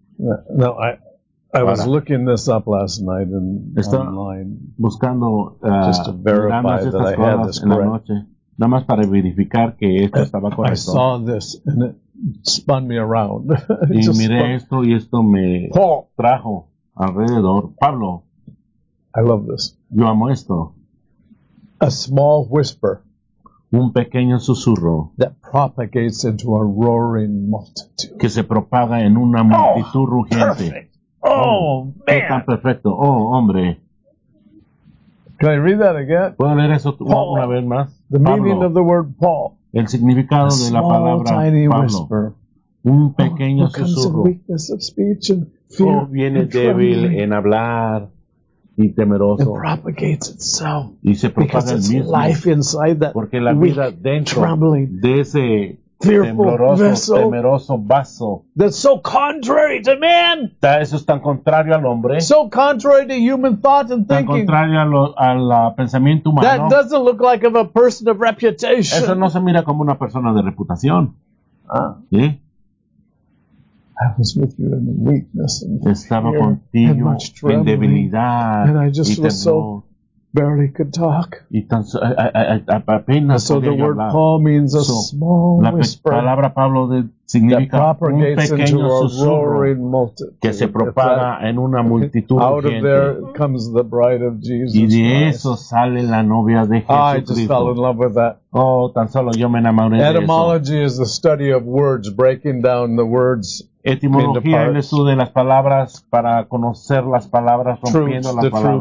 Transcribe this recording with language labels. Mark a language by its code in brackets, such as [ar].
[en] No, I was looking this up last night in online. [es] Buscando, [en] just to verify that I had this correct. [es] Nada más para verificar que esto estaba correcto. [en] I saw this and it spun me around. [es] Y miré esto y esto me trajo alrededor. Pablo. [en] I love this. [es] Yo amo esto. [en] A small whisper. [es] Un pequeño susurro. [en] That propagates into a roaring multitude. [es] Que se propaga en una multitud rugiente. [en] Perfect. Oh, man. [es] Qué tan perfecto. Oh, hombre. [en] Can I read that again? [es] ¿Puedo leer eso una vez más? [en] The meaning of the word Paul. [es] El significado de la palabra [en] tiny [es] Pablo. [en] Whisper. [es] Un pequeño susurro. [en] Weakness of speech and fear. [es] Oh, viene [en] and [es] débil en hablar y temeroso. [en] It propagates itself. [es] Y se propaga el mismo. [en] Life inside that [es] porque la vida [en] weak, [es] dentro [en] trembling, [es] de ese [en] fearful [es] tembloroso, [en] vessel, [es] temeroso vaso. [en] That's so contrary to man. [es] Eso es tan contrario al hombre. [en] So contrary to human thought and thinking. [es] Tan contrario al pensamiento humano. [en] That doesn't look like of a person of reputation. [es] Eso no se mira como una persona de reputación. Ah. ¿Sí? [en] I was with you in weakness and fear. [es] Estaba contigo [en] and much trembling, [es] en debilidad. [en] And I just was so barely could talk. [es] Y tan apenas [en] so the word [es] hablar. [en] Paul means a small [es] la [en] whisper. [es] La palabra Pablo significa un pequeño susurro que se propaga en una multitud [en] out [es] gente. [en] Of there comes the bride of Jesus. [es] Y de eso sale la novia de Jesucristo. [en] Oh, I just fell in love with that. [es] Oh, tan solo yo me enamoré de eso. [en] Etymology is the study of words, breaking down the words. [es] Etimología es el estudio de las palabras para conocer las palabras rompiendo las palabras.